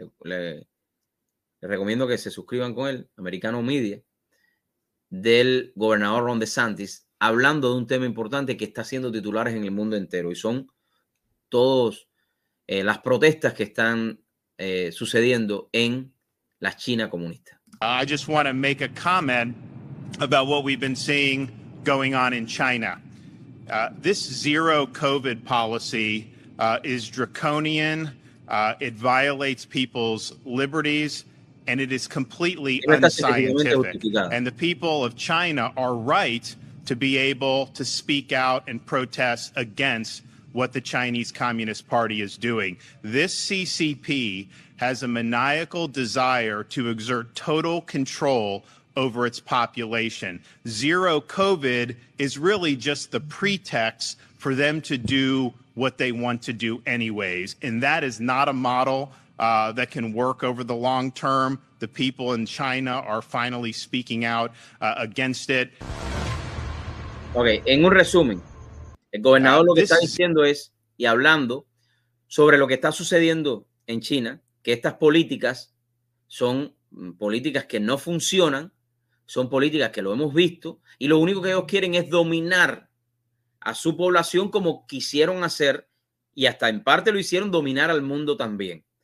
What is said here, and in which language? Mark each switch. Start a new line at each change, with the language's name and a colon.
Spanish: Le recomiendo que se suscriban con él, Americano Media, del gobernador Ron DeSantis, hablando de un tema importante que está haciendo titulares en el mundo entero y son todas las protestas que están sucediendo en la China comunista.
English: I just want to make a comment about what we've been seeing going on in China. This zero COVID policy is draconian. It violates people's liberties and it is completely unscientific. And the people of China are right to be able to speak out and protest against what the Chinese Communist Party is doing. This CCP has a maniacal desire to exert total control over its population. Zero COVID is really just the pretext for them to do what they want to do anyways. And that is not a model that can work over the long term. The people in China are finally speaking out against it.
Spanish: Okay, en un resumen, el gobernador lo que está diciendo es, y hablando sobre lo que está sucediendo en China, que estas políticas son políticas que no funcionan, son políticas que lo hemos visto, y lo único que ellos quieren es dominar a su población como quisieron hacer, y hasta en parte lo hicieron dominar al mundo también.